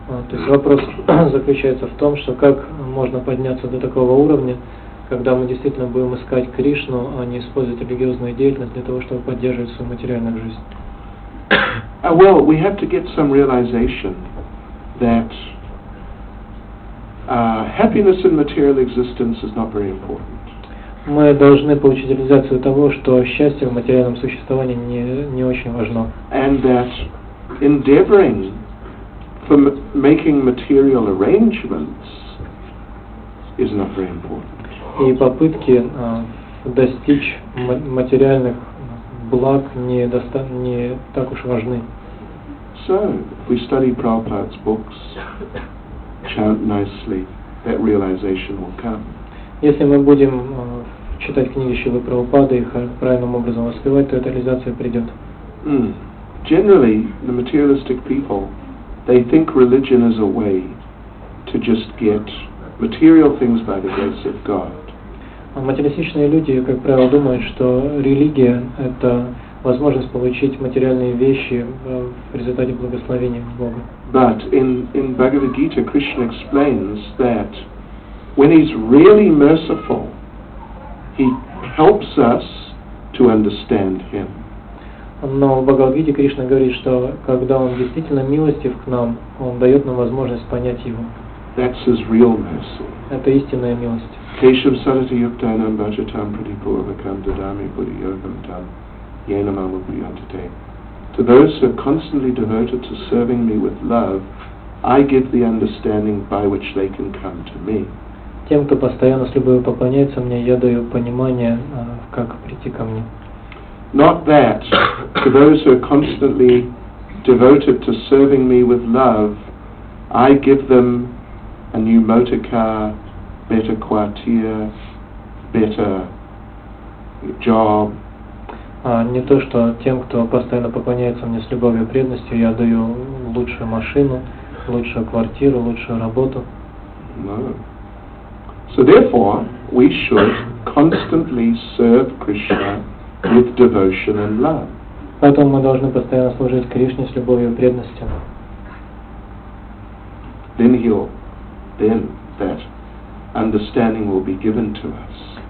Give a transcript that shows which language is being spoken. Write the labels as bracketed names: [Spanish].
[Russian] То есть вопрос заключается в том, что как можно подняться до такого уровня, когда мы действительно будем искать Кришну, а не использовать религиозную деятельность для того, чтобы поддерживать свою материальную жизнь. [English] Well, we have to get some realization that happiness in material existence is not very important. [Russian] Мы должны получить реализацию того, что счастье в материальном существовании не очень важно. [English] And that endeavoring for making material arrangements is not very important. [Russian] И попытки достичь материальных благ не так уж важны. [English] So we study Prabhupada's books, chant nicely, that realization will come. [Russian] Если мы будем читать книги Шрилы Прабхупады и правильным образом воспевать, то эта реализация придет. [English] Generally, the materialistic people, they think religion is a way to just get material things by the grace of God. [Russian] Материалистичные люди, как правило, думают, что религия — это возможность получить материальные вещи в результате благословения Бога. [English] But in Bhagavad Gita, Krishna explains that when he's really merciful, he helps us to understand him. [Russian] Но в Бхагавад-гите Кришна говорит, что когда он действительно милостив к нам, он дает нам возможность понять его. [English] That's his real mercy. [Russian] Это истинная милость. [Sanskrit] Кешам сарати юктанам баджатам прадипуравакам дадами бодхи йогам там йенамам убхиянтите. [English] To those who are constantly devoted to serving me with love, I give the understanding by which they can come to me. [Russian] Тем, кто постоянно с любовью поклоняется мне, я даю понимание, как прийти ко мне. [English] Not that to those who are constantly devoted to serving me with love, I give them a new motor car, better quartier, better job. [Russian] Не то, что тем, кто постоянно поклоняется мне с любовью и преданностью, я даю лучшую машину, лучшую квартиру, лучшую работу. [English] No. So therefore, we should constantly serve Krishna with devotion and love. [Russian] Поэтому мы должны постоянно служить Кришне с любовью и преданностью. [English] Then that understanding will be given to us.